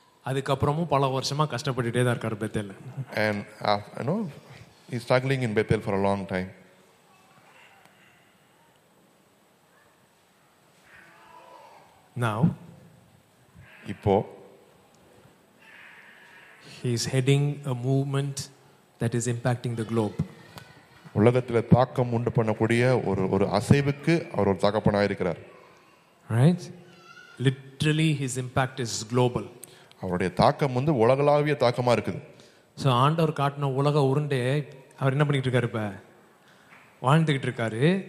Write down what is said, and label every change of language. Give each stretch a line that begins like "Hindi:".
Tamil: அதுக்கப்புறமும் பல வருஷமா கஷ்டப்பட்டுட்டே தான் இருக்காரு பெத்தேல.
English: And you know, he's struggling in Bethel for a long time. Now,
Tamil: இப்போ
English: he's heading a movement that is impacting the globe.
Tamil: உலகத்துல தாக்கம் உண்டு பண்ணக்கூடிய ஒரு ஒரு அசைவுக்கு அவர் ஒரு தகப்பனாக இருக்கிறார்.
English: Right? Literally, his impact is global.
Tamil: அவருடைய தாக்கம் வந்து உலகளாவிய தாக்கமா இருக்குது. ஸோ ஆண்டவர் காட்டின உலக உருண்டே அவர் என்ன பண்ணிக்கிட்டு இருக்காரு, இப்போ வாழ்ந்துகிட்டு இருக்காரு.